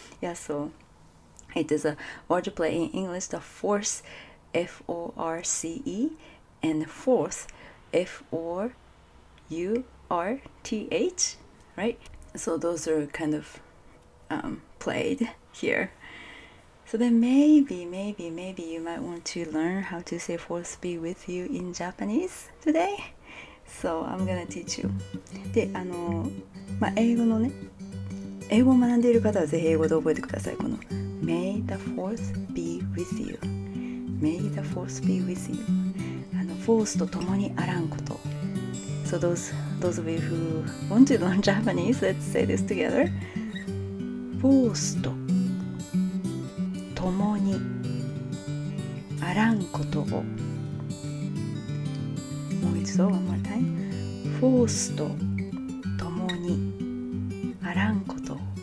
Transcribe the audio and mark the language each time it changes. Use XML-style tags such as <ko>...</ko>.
<en>Yeah, so it is a wordplay in English, the force F-O-R-C-E and fourth F-O-U-R-T-H, rightSo those are kind of played here. So then maybe you might want to learn how to say force be with you in Japanese today. So I'm gonna teach you.</en> <ja>で、あの、まあ、英語のね、英語を学んでいる方はぜひ英語で覚えてください。</ja> <en>この May the force be with you. May the force be with you.</en> <ja>あの、フォースと共にあらんこと。</ja> <en>So those of you who want to learn Japanese, let's say this together.</en> <ja>フォースと共にあらんことを。もう一度、</ja> <en>one more time.</en> <ja>フォースと共にあらんこと。</ja>